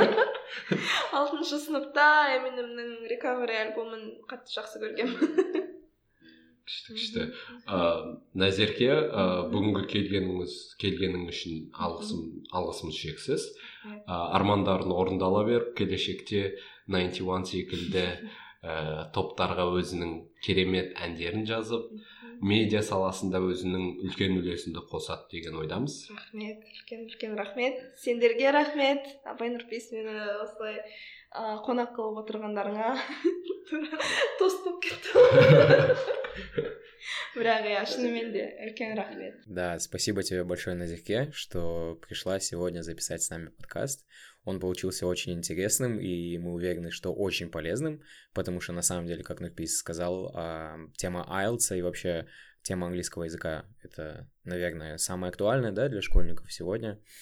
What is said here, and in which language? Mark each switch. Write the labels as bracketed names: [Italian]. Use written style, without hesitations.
[Kazakh] 6-шы сыныпта Eminem-нің Recovery альбомын қатты жақсы көргем. Күшті. Назерке, бүгінгі келгеніңіз үшін алғысымыз шексіз. Армандарын орындала бер, келешекте 91 секілді топтарға өзінің керемет әндерін жазып, медиа саласында өзінің үлкен үлесінді қосады деген ойдамыз. Рахмет, үлкен рахмет. Сендерге рахмет. Абай Нұрпейс мені осылай қонақ қылып отырғандарыңа тостып кетті. Бірақ, я шынымен де үлкен рахмет. [Russian] Да, спасибо тебе большое, Назерке, что пришла сегодня записать с нами подкаст. Он получился очень интересным, и мы уверены, что очень полезным, потому что, на самом деле, как Нурпис сказал, тема IELTS и вообще тема английского языка — это, наверное, самое актуальное, да, для школьников сегодня.